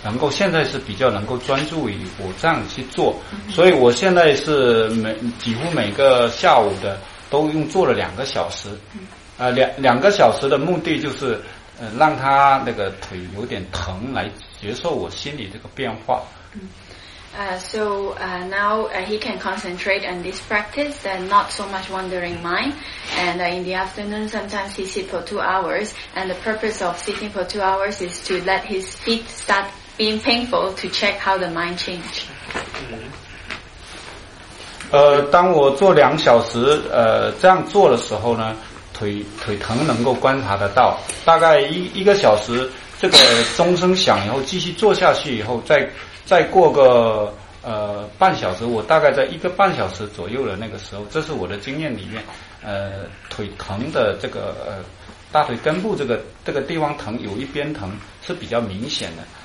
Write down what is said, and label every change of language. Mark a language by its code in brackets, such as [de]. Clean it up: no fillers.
[zh] 现在是比较能够专注于我这样去做，所以我现在是几乎每个下午的都用做了两个小时，两个小时的目的就是让他那个腿有点疼，来接受我心里这个变化。 [en] So now he can concentrate on this practice and not so much wandering mind. And in the afternoon, sometimes he sit for 2 hours. And the purpose of sitting for 2 hours is to let his feet start being painful to check how the mind change. [zh] 当我做两小时这样做的时候呢，腿疼能够观察得到。大概一个小时，这个钟声响以后，继续做下去以后，再过个半小时，我大概在一个半小时左右的那个时候，这是我的经验里面，腿疼的这个大腿根部这个地方疼，有一边疼是比较明显的。